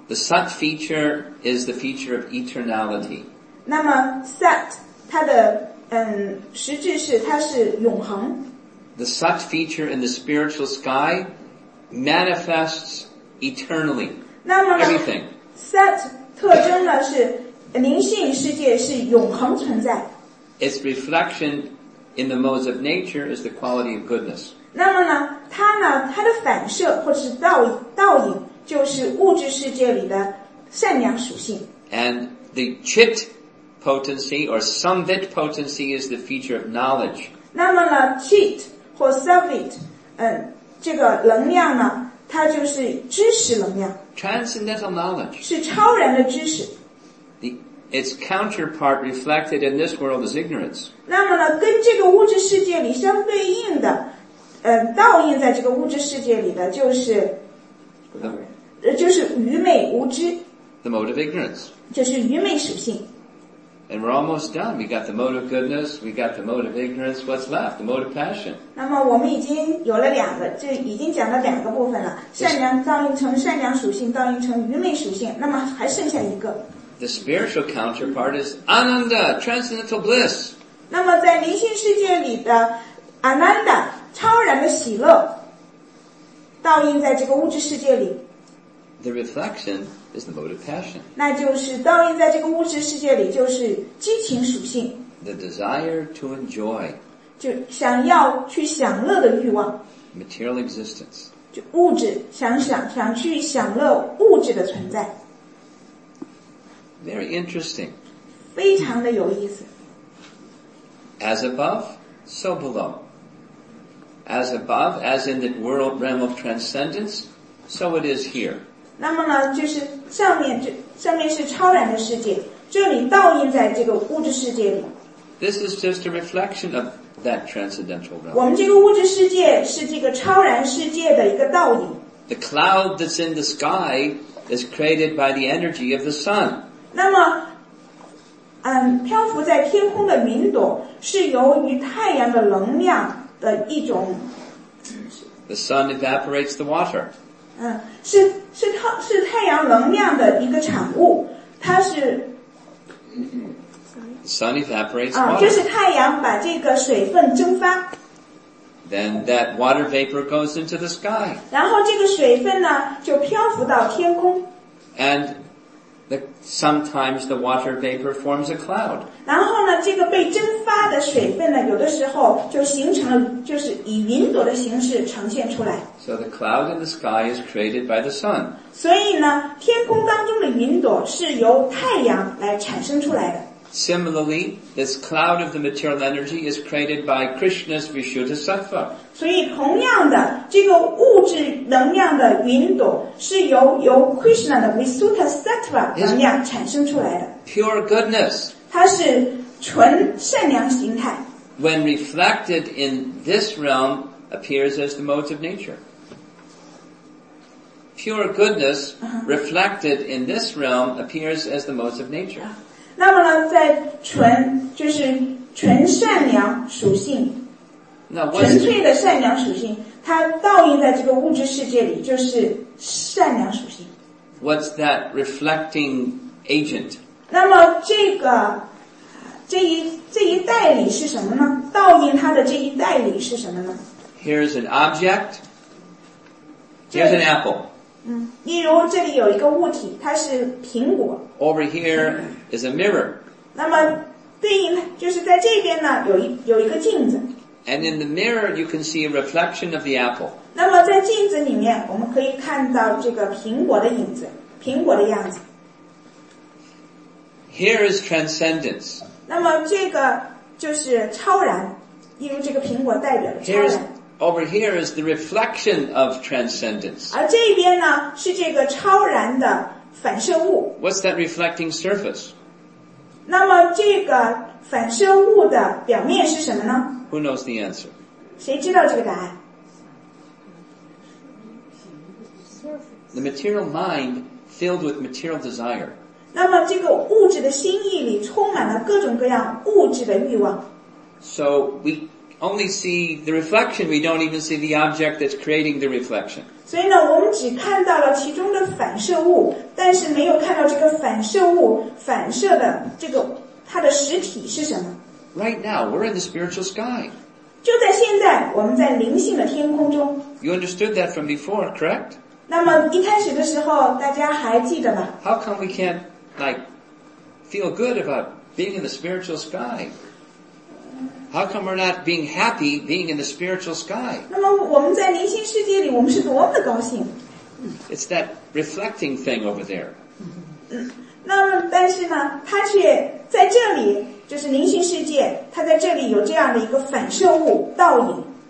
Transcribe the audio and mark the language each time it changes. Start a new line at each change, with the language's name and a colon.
English: The sat feature is the feature of eternality.
Chinese: 那么 sat 它的实质是它是永恒。
English: the sat feature in the spiritual sky manifests eternally. Everything.
Chinese: Sat 特征呢是灵性世界是永恒存在。
English: Its reflection in the modes of nature is the quality of goodness.
Chinese: 那么呢它呢它的反射或者是倒影就是物质世界里的善良属性。
English: And the chit potency or samvit potency is the feature of knowledge.
Chinese: 那么呢 chit 或 samvit 这个能量呢它就是知识能量。
English: Transcendental knowledge.
Chinese: 是超然的知识。
English: Its counterpart reflected in this world is ignorance.
Chinese: 那么呢跟这个物质世界里相对应的倒映在这个物质世界里的就是愚昧无知。
English: The mode of ignorance.
Chinese: 就是愚昧属性。
English: And we're almost done. We got the mode of goodness, we got the mode of ignorance. What's left? The mode of passion.
Chinese: 那么我们已经有了两个，这已经讲了两个部分了。善良倒映成善良属性，倒映成愚昧属性。那么还剩下一个。
English: The spiritual counterpart is Ananda, transcendental bliss.
Chinese: 那么在灵性世界里的 Ananda, 超然的喜乐倒映在这个物质世界里。
English: The reflection is the mode of passion.
Chinese: 那就是倒映在这个物质世界里就是激情属性。
English: The desire to enjoy.
Chinese: 就想要去享乐的欲望。
English: Material existence.
Chinese: 就物质想去享乐物质的存在。
English: Very interesting.
Chinese: 非常的有意思。
English: As above, so below. As above, as in the world realm of transcendence, so it is here.
Chinese: 那么呢，就是上面是超然的世界，这里倒映在这个物质世界里。
English: This is just a reflection of that transcendental realm.
Chinese: 我们这个物质世界是这个超然世界的一个倒影。
English: The cloud that's in the sky is created by the energy of the sun.
Chinese: 那么漂浮在天空的云朵是由于太阳的能量的一种。
English: The sun evaporates the water.
Chinese: 是太阳能量的一个产物。它是。
English: The sun evaporates water.
Chinese: 就是太阳把这个水分蒸发。
English: Then that water vapor goes into the sky.
Chinese: 然后这个水分呢就漂浮到天空。
English: And,Sometimes the water vapor forms a cloud.
Chinese: 然后呢，这个被蒸发的水分呢，有的时候就形成了，就是以云朵的形式呈现出来。
English: So the cloud in the sky is created by the sun.
Chinese: 所以呢，天空当中的云朵是由太阳来产生出来的。
English: Similarly, this cloud of the material energy is created by Krishna's Vishuddhisattva.
Chinese: 所以同样的，这个物质能量的云朵是由 Krishna 的 Vishuddhisattva 能量产生出来的。
English: Pure goodness.
Chinese: 它是纯善良形态。
English: When reflected in this realm, appears as the modes of nature. Pure goodness reflected in this realm appears as the modes of nature.
Chinese: 那么呢在纯就是纯善良属性纯粹的善良属性它倒映在这个物质世界里就是善良属性。
English: What's that reflecting agent?
Chinese: 那么这一代理是什么呢倒映它的这一代理是什么呢
English: Here's an object. Here's an apple.
Chinese: 例如这里有一个物体它是苹果。
English: Over here is a mirror.
Chinese: 那么对应就是在这边呢有一个镜子。
English: And in the mirror you can see a reflection of the apple.
Chinese: 那么在镜子里面我们可以看到这个苹果的影子苹果的样子。
English: Here is transcendence.
Chinese: 那么这个就是超然因为这个苹果代表了超然。
English: Over here is the reflection of transcendence.
Chinese: 而这边呢是这个超然的反射物。
English: What's that reflecting surface?
Chinese: 那么这个反射物的表面是什么呢
English: ?Who knows the answer?
Chinese: 谁知道这个答案
English: ?The material mind filled with material desire.
Chinese: 那么这个物质的心意里充满了各种各样物质的欲望。
English: So we... Only see the reflection, we don't even see the object that's creating the reflection.
Chinese: 所以呢我们只看到了其中的反射物但是没有看到这个反射物反射的这个它的实体是什么。
English: Right now, we're in the spiritual sky.
Chinese: 就在现在我们在灵性的天空中。
English: You understood that from before, correct?
Chinese: 那么一开始的时候大家还记得吗？
English: How come we can't, like, feel good about being in the spiritual sky? How come we're not being happy being in the spiritual sky?
Chinese: 那么我们在灵性世界里我们是多么的高兴。
English: It's that reflecting thing over there.
Chinese: 那么但是呢它却在这里就是灵性世界它在这里有这样的一个反射物倒影。